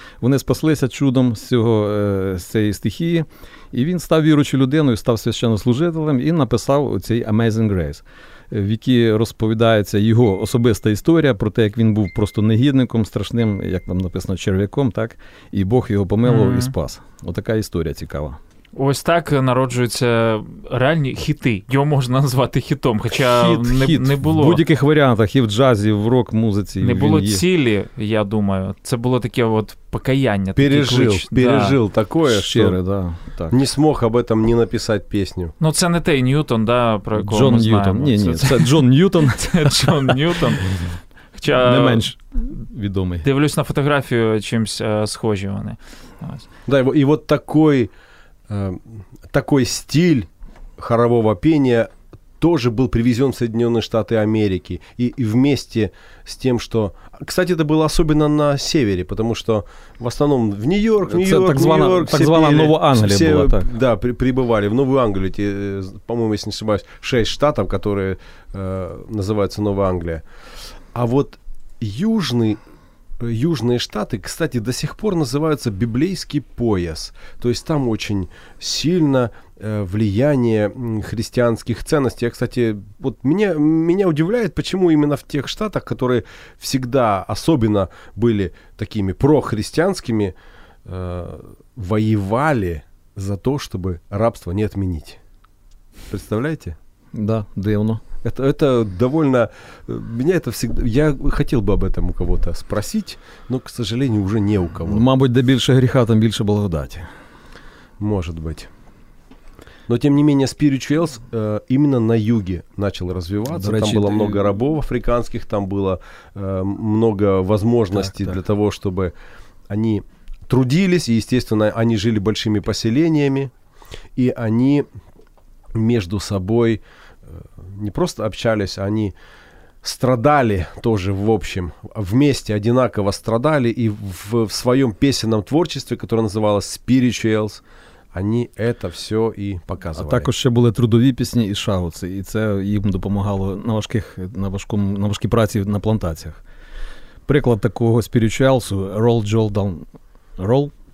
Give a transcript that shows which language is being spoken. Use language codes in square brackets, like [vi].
[uk] Вони спаслися чудом з цієї стихії, і він став віруючою людиною, став священнослужителем і написав оцей Amazing Grace, в якій розповідається його особиста історія про те, як він був просто негідником, страшним, як там написано, черв'яком, так, і Бог його помилував і спас. Отака історія цікава. Ось так народжуються реальні хіти. Його можна назвати хітом, хоча не було... В будь-яких варіантах, і в джазі, і в рок-музиці. Не було цілі, я думаю. Це було таке от покаяння. Пережив, такий клич. Пережив, да. Такое, щире, що да. [ru] Не смог об этом не [uk] написати пісню. Ну, це не той Ньютон, да, про якого Джон ми Ньютон. Знаємо. Ні, це Джон Ньютон. Це Джон Ньютон. Хоча, не менш відомий. Дивлюсь на фотографію, чимось схожі вони. Да, і от такий... [ru] Такой стиль хорового пения тоже был привезен в Соединенные Штаты Америки. И вместе с тем, что... Кстати, это было особенно на севере, потому что в основном в Нью-Йорк, так званая Новая Англия все, была так. Да, прибывали в Новую Англию. Эти, по-моему, если не ошибаюсь, 6 штатов, которые называются Новая Англия. А вот Южные штаты, кстати, до сих пор называются библейский пояс. То есть там очень сильно влияние христианских ценностей. Я, кстати, вот меня удивляет, почему именно в тех штатах, которые всегда особенно были такими прохристианскими, воевали за то, чтобы рабство не отменить. Представляете? Да, дивно. Это довольно... Меня это всегда... Я хотел бы об этом у кого-то спросить, но, к сожалению, уже не у кого. [uk] Ну, мабуть, да більше греха, там більше благодати. [ru] Может быть. Но, тем не менее, спиричуэлс именно на юге начал развиваться. Там было много рабов африканских, там было много возможностей для того, чтобы они трудились, и, естественно, они жили большими поселениями, и они между собой... не просто общались, они страдали тоже в общем, вместе одинаково страдали, и в своем песенном творчестве, которое называлось «Spirituals», они это все и показывали. [uk] А також ще були трудові пісні і шауці, і це їм допомагало на важкій праці на плантаціях. Приклад такого спірічуалсу – «Roll Jordan, Roll»,